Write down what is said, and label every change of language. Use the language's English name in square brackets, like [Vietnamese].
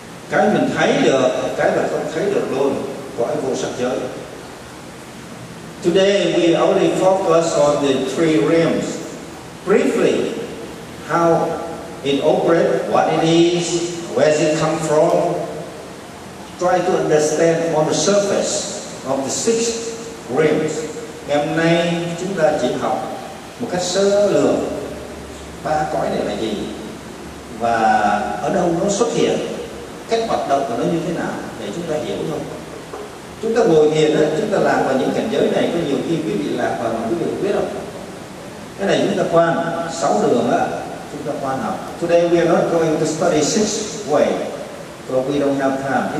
[Vietnamese] Cái mình thấy được, cái là không thấy được luôn, cõi vô sắc giới. [English] Today we only focus on the three realms. Briefly, how it operates, what it is, where does it come from. Try to understand on the surface of the six realms. [Vietnamese] Ngày hôm nay chúng ta chỉ học một cách sơ lược ba cõi này là gì và ở đâu nó xuất hiện, cách hoạt động của nó như thế nào để chúng ta hiểu thôi. Chúng ta ngồi thiền á, chúng ta làm vào những cảnh giới này có nhiều khi quý vị lạc vào mà quý vị biết không? Cái này chúng ta quan sáu đường á, chúng ta quan học. [English] Today we are not going to study six way, so we don't have time.